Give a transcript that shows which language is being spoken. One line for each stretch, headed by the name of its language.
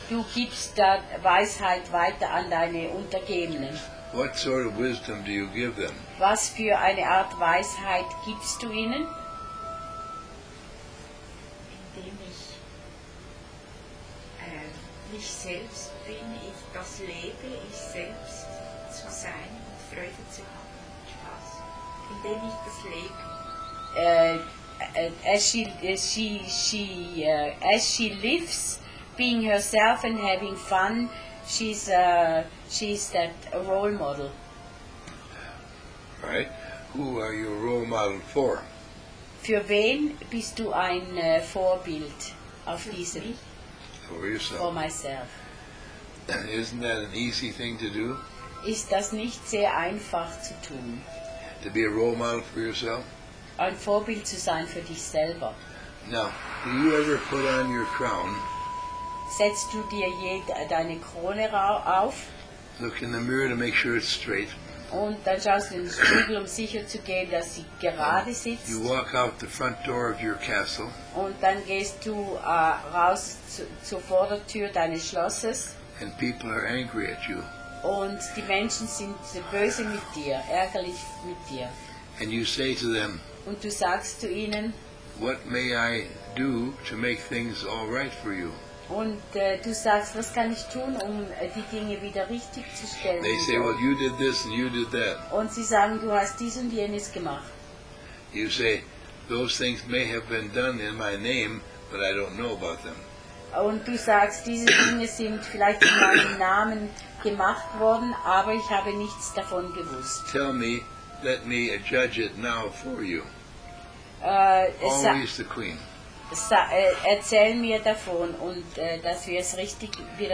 German: Du gibst da Weisheit weiter an deine Untergebenen.
English: What sort of wisdom do you give them?
German: Was für eine Art Weisheit gibst du ihnen? Indem ich mich selbst bin, ich das lebe, ich selbst zu sein und Freude zu haben und Spaß. Indem ich das lebe.
English: As she lives, being herself and having fun, she's that role model. Right. Who are you a role model for?
German: Für wen bist du ein Vorbild auf diesem?
English: For yourself. For myself. Isn't that an easy thing to do?
German: Ist das nicht sehr einfach zu tun?
English: To be a role model for yourself?
German: Ein Vorbild zu sein für dich selber.
English: Now, do you ever put on your crown?
German: Setzt du dir deine Krone auf?
English: Look in the mirror to make sure it's straight.
German: Und dann schaust du in den Spiegel, um sicher zu gehen, dass sie gerade sitzt.
English: You walk out the front door of your castle.
German: Und dann gehst du raus zur Vordertür deines Schlosses.
English: And people are angry at you.
German: Und die Menschen sind böse mit dir, ärgerlich mit dir.
English: And you say to them,
German: und du sagst zu ihnen,
English: what may I do to make things all right for you?
German: Und du sagst, was kann ich tun, um die Dinge wieder richtig zu stellen?
English: They say, well, you did this and you did that.
German: Und sie sagen, du hast dies und jenes gemacht.
English: You say, those things may have been done in my name, but I don't know about them.
German: Und du sagst, diese Dinge sind vielleicht in meinem Namen gemacht worden, aber ich habe nichts davon gewusst.
English: Tell me, let me judge it now for you. Always the queen.
German: Erzähl mir davon und dass wir es richtig wieder